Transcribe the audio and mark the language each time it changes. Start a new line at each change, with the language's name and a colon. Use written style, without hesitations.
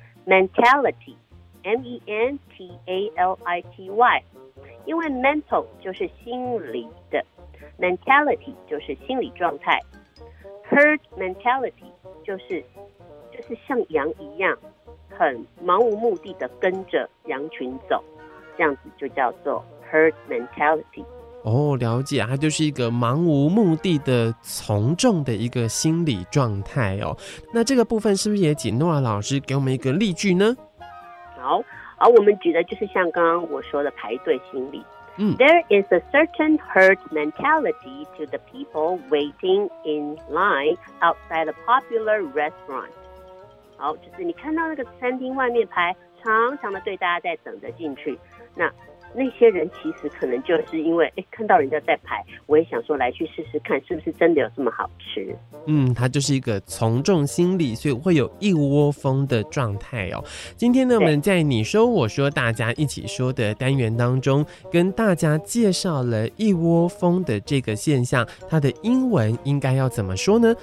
Chinese: mentality，M-E-N-T-A-L-I-T-Y， 因为 mental 就是心理的， mentality 就是心理状态， herd mentality 就是像羊一样很盲无目的的跟着羊群走，这样子就叫做 herd mentality。哦，了解，它就是一个盲无目的的从众的一个心理状态哦。那这个部分是不是也请诺亚老师给我们一个例句呢？好，而我们举的就是像刚刚我说的排队心理。嗯，
English: There is a certain herd mentality to the people waiting in line outside a popular restaurant.
Chinese: 好，就是你看到那个餐厅外面排长长的队大家在等着进去，那些人其实可能就是因为看到人家在排，我也想说来去试试看是不是真的有这么好吃。嗯，它就是一个从众心理，所以会有一窝蜂的状态哦。今天呢，我们在你说我说大家一起说的单元当中，跟大家介绍了一窝蜂的这个现象，它的英文应该要怎么说呢？